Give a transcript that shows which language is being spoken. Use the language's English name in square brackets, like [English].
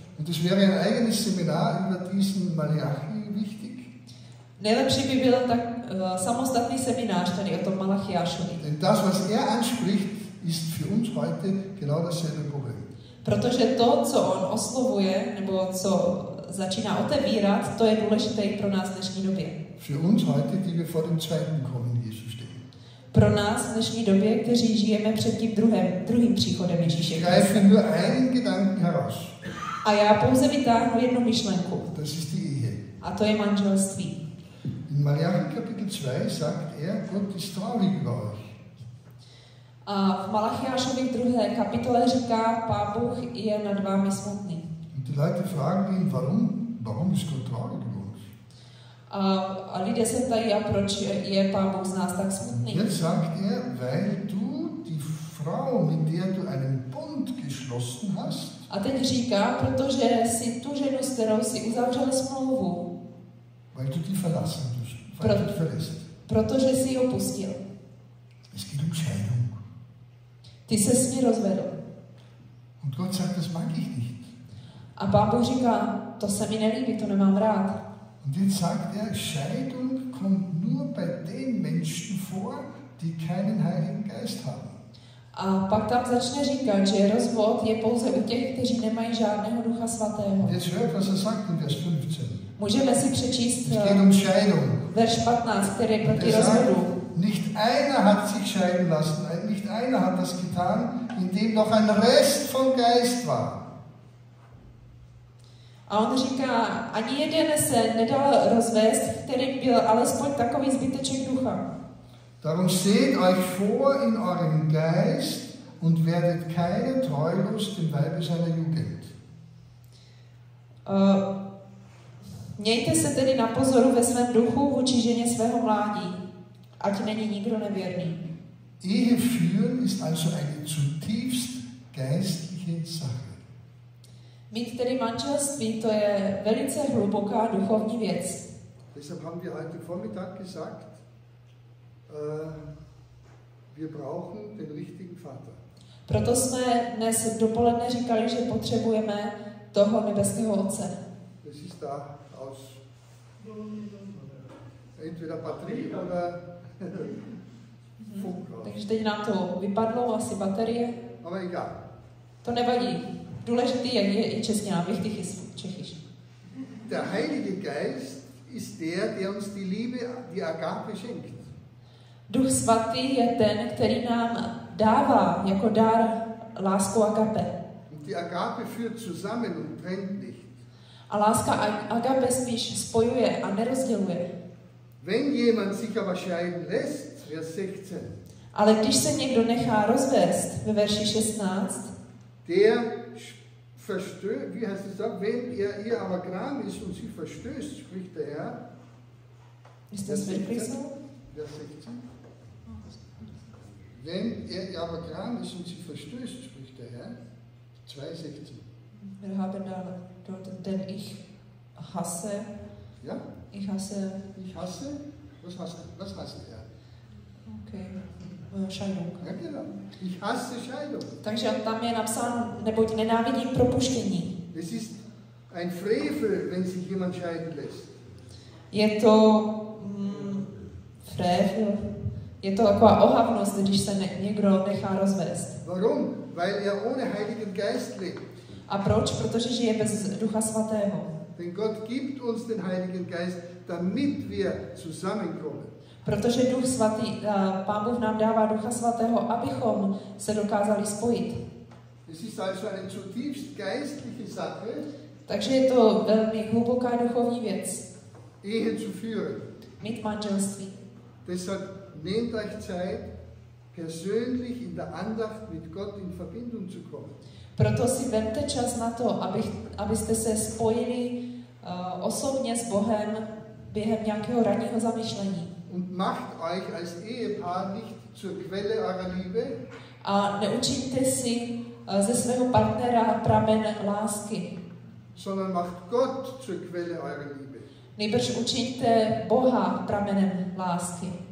[German] Und es wäre ein eigenes Seminar über diesen Malachi wichtig. [Czech] Nejlepší by byl tak samostatný seminář tady o tom Malachiášovi. [German] Denn das, was er anspricht, ist für uns heute genau dasselbe Problem. [Czech] Protože to, co on oslovuje, nebo co začíná otevírat, to je důležité i pro nás v dnešní době. [German] Für uns heute, die wir vor dem zweiten Kommen Jesu stehen. [Czech] Pro nás v dnešní době, kteří žijeme před tím druhým příchodem Ježíše. [German] Greifen nur einen Gedanken heraus. [Czech] A já pouze vytáhnu jednu myšlenku. [German] Das ist die Ehe. [Czech] A to je manželství. [German] In Malachi Kapitel 2 sagt er, Gott ist traurig über euch. [Czech] A v Malachiášovi 2. kapitole říká, Pán Bůh je nad vámi smutný. [German] Und die Leute fragen ihn, warum? Warum ist Gott traurig? [Czech] A lidé se ptají, a proč je Pán Bůh z nás tak smutný? [German] Jetzt sagt er, weil du die Frau, mit der du einen Bund geschlossen hast. [Czech] A teď říká, protože si tu ženu, s kterou si uzavřel smlouvu. [German] Weil du die verlassen musst, weil du die verlässt. [Czech] Protože si ji opustil. [German] Es geht um Scheidung. [Czech] Ty se s ní rozvedl. [German] Und Gott sagt, das mag ich nicht. [Czech] A Pán Bůh říká, to se mi nelíbí, to nemám rád. [German] Und jetzt sagt er, Scheidung kommt nur bei den Menschen vor, die keinen Heiligen Geist haben. [Czech] A pak tam začne říkat, že rozvod je pouze u těch, kteří nemají žádného Ducha Svatého. [German] Und jetzt hört, was er sagt in Vers 15. [Czech] Můžeme si přečíst verš 15, který je proti rozvodu. [German] Nicht einer hat sich scheiden lassen, nicht einer hat das getan, in dem noch ein Rest von Geist war. [Czech] A on říká, ani jeden se nedal rozvést, který byl alespoň takový zbyteček ducha. [German] Darum seht euch vor in eurem Geist und werdet keine treulos dem Weibe seiner Jugend. [Czech] Mějte se tedy na pozoru ve svém duchu vůči ženě svého mládí, ať není nikdo nevěrný. [German] Ehe führen ist also eine zutiefst geistliche Sache. [Czech] Mít tedy manželství, to je velice hluboká duchovní věc. [German] Deshalb haben wir heute Vormittag gesagt, wir brauchen den richtigen Vater. [Czech] Proto jsme dnes dopoledne říkali, že potřebujeme toho nebeského Otce. [German] Das ist da aus entweder Batterie oder [Czech] Takže teď nám to vypadlo, asi baterie. Ale egal. To nevadí. Důležitý je, je i česně nábytý Čechyš. [German] Der Heilige Geist ist der, der uns die Liebe, die Agape schenkt. [Czech] Duch svatý je ten, který nám dává jako dar lásku Agape. [German] Und die Agape führt zusammen und trennt nicht. [Czech] A láska Agape spíš spojuje a nerozděluje. [German] Wenn jemand sich aber scheiden lässt, Vers 16. [Czech] Ale když se někdo nechá rozvést ve verši 16. [German] Der verstößt, wie heißt es da, wenn er ihr aber gram ist und sie verstößt, spricht der Herr. Ist das wirklich so? Vers 16. Wenn er ihr aber gram ist und sie verstößt, spricht der Herr. 2:16. Wir haben da dort, denn ich hasse. Ja? Ich hasse. Ich hasse? Was hasse? Was hasse er? Okay. Scheidung. Ich hasse Scheidung. [Czech] Takže tam je napsán, neboť nenávidím propuštění. [German] Es ist ein Frevel, wenn sich jemand scheiden lässt. [Czech] Je to Frevel. Je to taková ohavnost, když se někdo nechá rozvést. [German] Warum? Weil er ohne Heiligen Geist lebt. [Czech] A proč? Protože žije bez Ducha Svatého. [German] Denn Gott gibt uns den Heiligen Geist, damit wir zusammenkommen. [Czech] Protože Duch svatý, Pán Bůh nám dává Ducha svatého, abychom se dokázali spojit. [German] Es ist also eine zutiefst geistliche Sache. [Czech] Takže je to velmi hluboká duchovní věc. [German] Ehe zu führen. [Czech] Mít manželství. [German] Deshalb nehmt euch Zeit, persönlich in der Andacht mit Gott in Verbindung zu kommen. [Czech] Proto si vemte čas na to, abyste se spojili osobně s Bohem během nějakého ranního zamýšlení. [German] Und macht euch als Ehepaar nicht zur Quelle eurer Liebe. [Czech] A neučiňte si ze svého partnera pramen lásky. [German] Sondern macht Gott zur Quelle eurer Liebe. [Czech] Nejbrž učiňte Boha pramenem lásky.